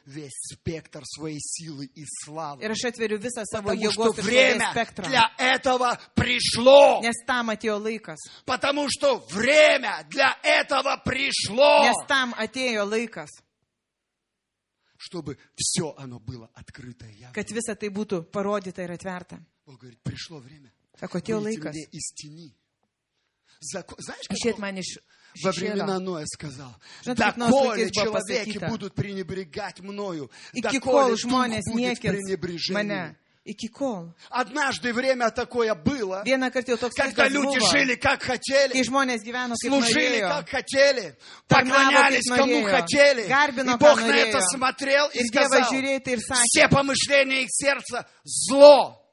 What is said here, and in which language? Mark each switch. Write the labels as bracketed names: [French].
[Russian] Весь спектр своей силы и славы. [Lithuanian] Ir aš atveriu visą savo [Russian] потому [Lithuanian] jėgos [Russian] что время [Lithuanian] spektrą. [Russian] Для этого пришло. [Lithuanian] Nes tam atėjo laikas. [Russian] Потому что время для этого пришло. [Lithuanian] Nes tam atėjo laikas. [Russian] Чтобы все оно было открыто и явно. [Lithuanian] Kad visa tai būtų parodyta ir atverta. [Russian] Он говорит, пришло время. [Lithuanian] Sako, atėjo laikas. [Russian] Выйти мне из тени. Знаешь, как он... Во времена Ноя сказал, доколе человеки будут пренебрегать мною, доколе дух будет пренебрежение. Однажды время такое было, когда люди жили как хотели, служили как хотели, поклонялись кому хотели, и Бог на это смотрел и сказал, все помышления их сердца зло.